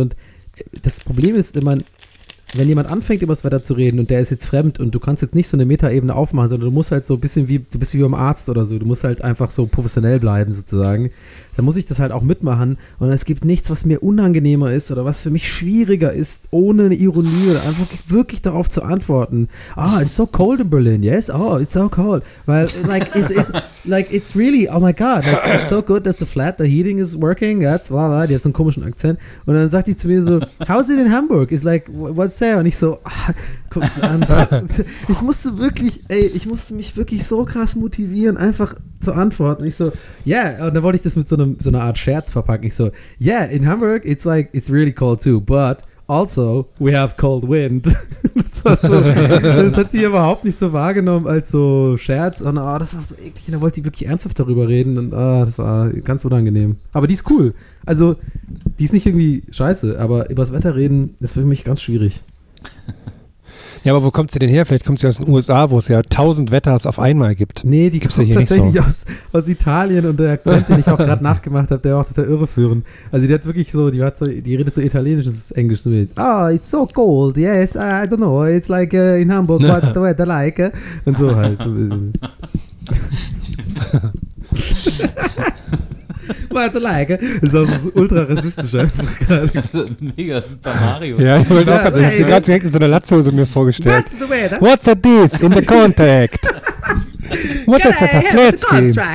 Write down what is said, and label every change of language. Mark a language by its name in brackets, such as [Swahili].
[German] Und das Problem ist, wenn man, wenn jemand anfängt, über das Wetter zu reden und der ist jetzt fremd und du kannst jetzt nicht so eine Metaebene aufmachen, sondern du musst halt so ein bisschen wie, du bist wie beim Arzt oder so, du musst halt einfach so professionell bleiben sozusagen, dann muss ich das halt auch mitmachen und es gibt nichts, was mir unangenehmer ist oder was für mich schwieriger ist, ohne eine Ironie oder einfach wirklich darauf zu antworten. [English] Ah, it's so cold in Berlin, yes, oh, it's so cold. Weil, like, it's really, oh my god, like, it's so good that the flat, the heating is working, that's, blah, blah, [German] die hat so einen komischen Akzent. Und dann sagt die zu mir so, [English] how's it in Hamburg? It's like, what's there? [German] Und ich so, ah, guckst du an. Ich musste wirklich, ey, ich musste mich wirklich so krass motivieren, einfach zu antworten. Ich so, yeah, und dann wollte ich das mit so eine Art Scherz verpacken. Ich so, [English] yeah, in Hamburg, it's like, it's really cold too, but also, we have cold wind. [German] Das hat sie überhaupt nicht so wahrgenommen als so Scherz. Und oh, das war so eklig. Und da wollte sie wirklich ernsthaft darüber reden. Und oh, das war ganz unangenehm. Aber die ist cool. Also, die ist nicht irgendwie scheiße. Aber über das Wetter reden ist für mich ganz schwierig. Ja, aber wo kommt sie denn her? Vielleicht kommt sie aus den USA, wo es ja 1000 Wetters auf einmal gibt. Nee, die gibt's kommt ja hier tatsächlich nicht so. aus Italien und der Akzent, den ich auch gerade nachgemacht habe, der war auch total irreführend. Also die hat wirklich so, die hat so, die redet so italienisches Englisch. [English] Ah, oh, it's so cold, yes, I don't know, it's like in Hamburg, what's the weather like? [German] Und so halt. [English] What's the like? [German] Das ist auch so ultra rassistisch einfach gerade. Mega Super Mario. Ja, ich habe gerade direkt in so einer Latzhose mir vorgestellt. [English] What's the weather? What's this in the contact? What is that? A flat screen?